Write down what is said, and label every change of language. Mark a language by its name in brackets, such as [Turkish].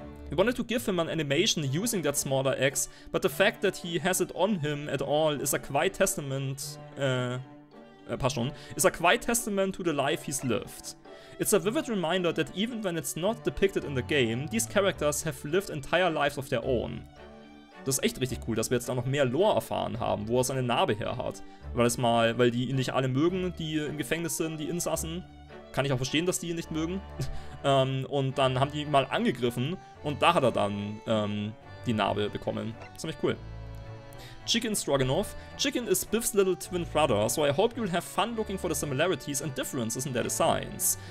[English] We wanted to give him an animation using that smaller axe, but the fact that he has it on him at all is a quite testament, is a quite testament to the life he's lived. It's a vivid reminder that even when it's not depicted in the game, these characters have lived entire lives of their own. [German] Das ist echt richtig cool, dass wir jetzt da noch mehr Lore erfahren haben, wo er seine Narbe her hat. Weil es mal, weil die ihn nicht alle mögen, die im Gefängnis sind, die Insassen. Kann ich auch verstehen, dass die ihn nicht mögen. und dann haben die ihn mal angegriffen und da hat er dann die Narbe bekommen. Ziemlich cool. Chicken Stroganoff. [English] Chicken is Biff's little twin brother, so I hope you'll have fun looking for the similarities and differences in their designs.